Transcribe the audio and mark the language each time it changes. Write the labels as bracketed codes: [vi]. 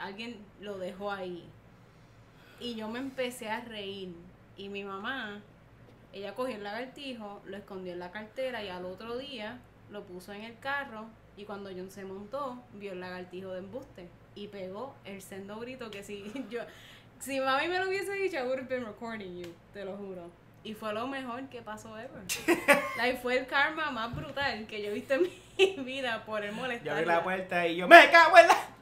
[es] Alguien lo dejó ahí. Y yo me empecé a reír. Y mi mamá, ella cogió el lagartijo, lo escondió en la cartera y al otro día lo puso en el carro. Y cuando John se montó, vio el lagartijo de embuste. Y pegó el sendo grito que si yo... Si mami me lo hubiese dicho, [en] I would have been recording you, [es] te lo juro. Y fue lo mejor que pasó [en] ever. Like, [es] fue el karma más brutal que yo he visto en mi vida por el molestar. Yo abrí la puerta y yo, ¡me cago en la!